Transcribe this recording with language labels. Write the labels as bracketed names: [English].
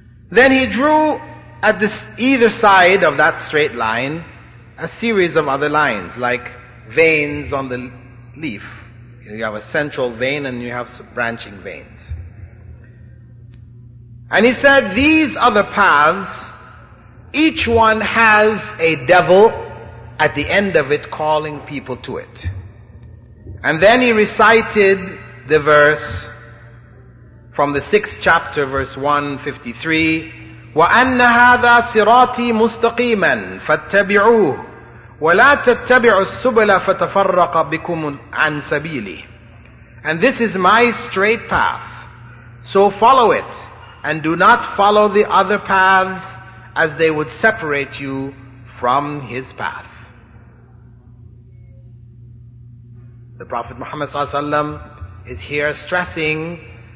[English] Then he drew at this either side of that straight line a series of other lines, like veins on the leaf. You have a central vein and you have some branching veins. And he said, these are the paths, each one has a devil at the end of it calling people to it. And then he recited the verse from the 6th chapter, verse 153, [Arabic] وَأَنَّ هَذَا صِرَاطِي مُسْتَقِيمًا فَاتَّبِعُوهُ وَلَا تَتَّبِعُوا السُّبْلَ فَتَفَرَّقَ بِكُمْ عَنْ سَبِيلِهِ. [English] And this is my straight path, so follow it. And do not follow the other paths as they would separate you from his path. The Prophet Muhammad sallallahu alaihi wasallam is here stressing